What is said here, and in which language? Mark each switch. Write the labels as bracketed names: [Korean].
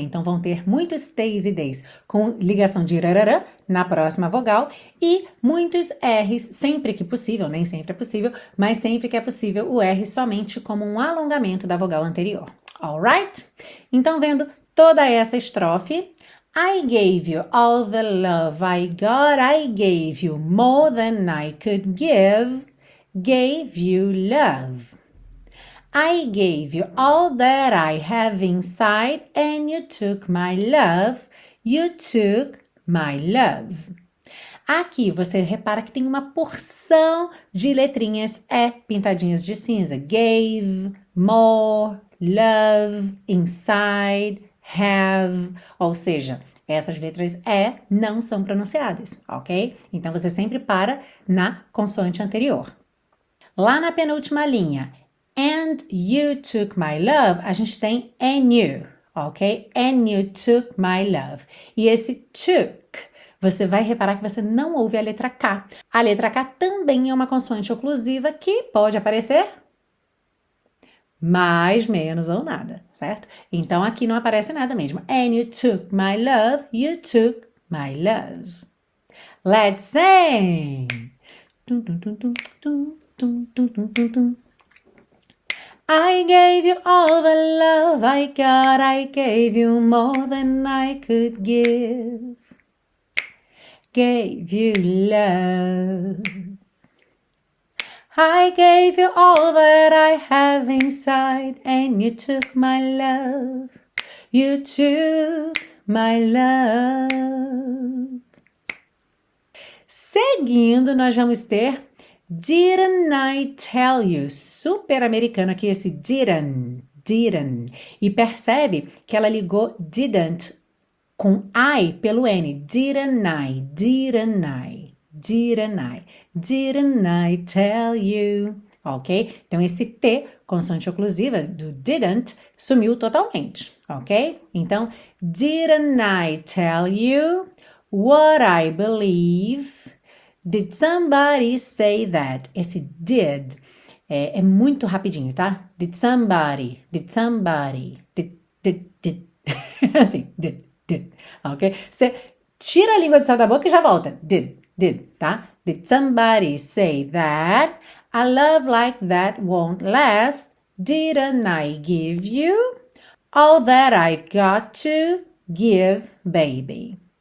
[Portuguese] Então vão ter muitos T's e D's com ligação de rarara na próxima vogal e muitos R's, sempre que possível, nem sempre é possível, mas sempre que é possível o R somente como um alongamento da vogal anterior. [English] Alright? [Portuguese] Então vendo toda essa estrofe. [English] I gave you all the love I got, I gave you more than I could give, gave you love. I gave you all that I have inside and you took my love. You took my love. [Portuguese] Aqui você repara que tem uma porção de letrinhas E pintadinhas de cinza. [English] Gave, more, love, inside, have. [Portuguese] Ou seja, essas letras E não são pronunciadas, ok? Então você sempre para na consoante anterior. Lá na penúltima linha. [English] And you took my love, [Portuguese] a gente tem and you, ok? [English] And you took my love. [Portuguese] E esse took, você vai reparar que você não ouve a letra K. A letra K também é uma consoante oclusiva que pode aparecer mais, menos ou nada, certo? Então aqui não aparece nada mesmo. [English] And you took my love, you took my love. Let's sing! I gave you all the love I got, I gave you more than I could give. gave you love. I gave you all that I have inside, and you took my love. You took my love. [Portuguese] Seguindo, nós vamos ter [English] Didn't I Tell You? [Portuguese] Super americano aqui esse didn't, didn't. E percebe que ela ligou didn't com I pelo N. [English] Didn't I, didn't I. Didn't I tell you? Ok? [Portuguese] Então, esse T, consoante oclusiva do didn't, sumiu totalmente. Ok? Então, [English] didn't I tell you what I believe? Did somebody say that? [Portuguese] Esse did é muito rapidinho, tá? [English] Did somebody, did somebody, did. [Portuguese] Assim, did. Ok? Você tira a língua de céu da boca e já volta. [English] Did. Did, tá? Did somebody say that? A love like that won't last. Didn't I give you all that I've got to give, baby?